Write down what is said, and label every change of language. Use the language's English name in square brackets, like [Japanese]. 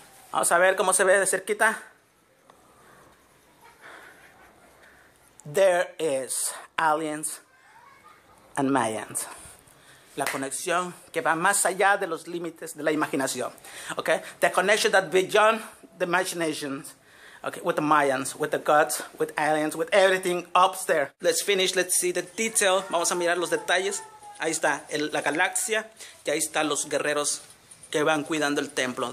[Spanish] Vamos a ver cómo se ve de cerquita. [English] There is aliens and Mayans. [Spanish] La conexión que va más allá de los límites de la imaginación. [English] Okay? The connection that beyond the imagination. Okay, with the Mayans, with the gods, with aliens, with everything upstairs. Let's finish, let's see the detail. [Spanish] Vamos a mirar los detalles. Ahí está la galaxia. Y ahí están los guerreros que van cuidando el templo.